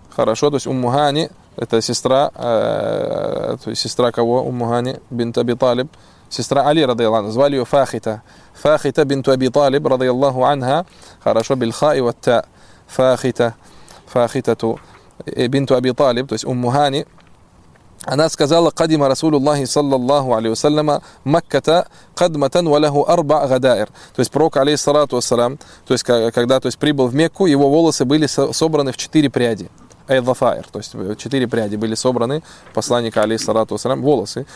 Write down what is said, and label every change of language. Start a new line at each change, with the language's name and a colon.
Russian: Хорошо, то есть Уммухани, это сестра, то есть сестра кого? Уммухани, бинт Аби Талиб, сестра Али, радиаллаху анха, звали ее Фахита. Фахита бинт Аби Талиб, радиаллаху анха, хорошо, бильха и ватта, Фахита, Фахитату, бинт Аби Талиб, то есть Уммухани. Она сказала,
Arabic: قدم رسول الله صلى الله عليه وسلم مكة قدمة وله أربع غدائر.
Russian: То есть пророк алейхиссалату вассалям, то есть когда, то есть прибыл в Мекку, его волосы были собраны в 4 пряди. Айдзафаир, то есть 4 пряди были собраны посланника алейхиссалату вассалям, волосы.